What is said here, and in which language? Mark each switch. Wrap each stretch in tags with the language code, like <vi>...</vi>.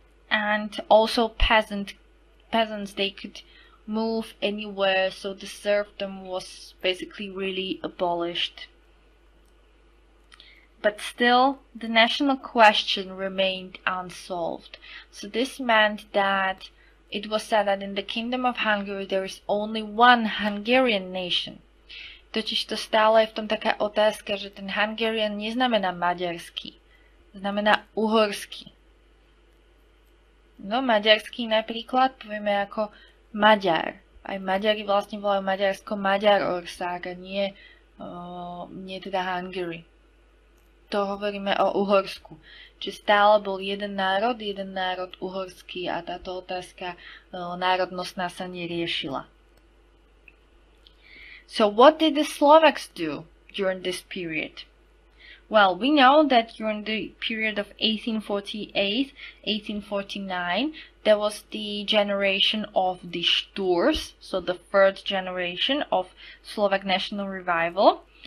<en>And also peasants, they could move anywhere, so the serfdom was basically really abolished. But still, the national question remained unsolved. So this meant that it was said that in the Kingdom of Hungary there is only one Hungarian nation.</en> <sk>Totiž to stále je v tom taká otázka, že ten Hungarian neznamená maďarský, znamená uhorský. No maďarský napríklad povieme ako Maďar. Aj Maďari vlastne volajú Maďarsko Maďar Orsák a nie teda Hungary. To hovoríme o Uhorsku. Či stále bol jeden národ uhorský a táto otázka národnostná sa neriešila.</sk> <en>So what did the Slovaks do during this period? Well, we know that during the period of 1848-1849, there was the generation of the Štúrs, so the third generation of Slovak National Revival.</en>